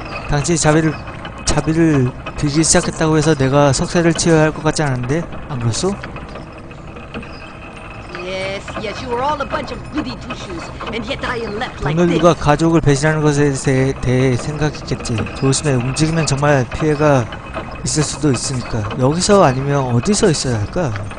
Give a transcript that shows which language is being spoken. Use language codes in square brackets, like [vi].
[ko] 당신이 자비를 빌기 시작했다고 해서 내가 석세를 치어야 할 것 같지 않은데 안 그렇소? [en] Yes, yes, you are all a bunch of goody two shoes, and yet I am left like this. [ko] 오늘 누가 가족을 배신하는 것에 대해 생각했겠지. 조심해, 움직이면 정말 피해가 있을 수도 있으니까 여기서 아니면 어디서 있어야 할까?